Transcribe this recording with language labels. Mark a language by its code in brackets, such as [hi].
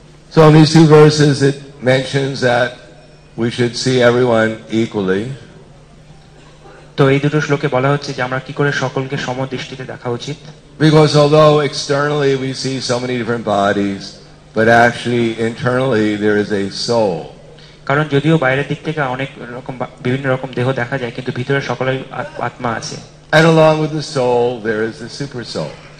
[en] So in these two verses it mentions that we should see everyone equally. [bn] তো এই দুটো শ্লোকে বলা হচ্ছে যে আমরা কি করে সকলকে সম দৃষ্টিতে দেখা উচিত? [en] Because although externally we see so many different bodies, but actually internally there is a soul. [bn] কারণ যদিও বাইরের দিক থেকে অনেক রকম বিভিন্ন রকম দেহ দেখা যায় কিন্তু ভিতরে সকলের আত্মা আছে. [en] And along with the soul, there is the super soul.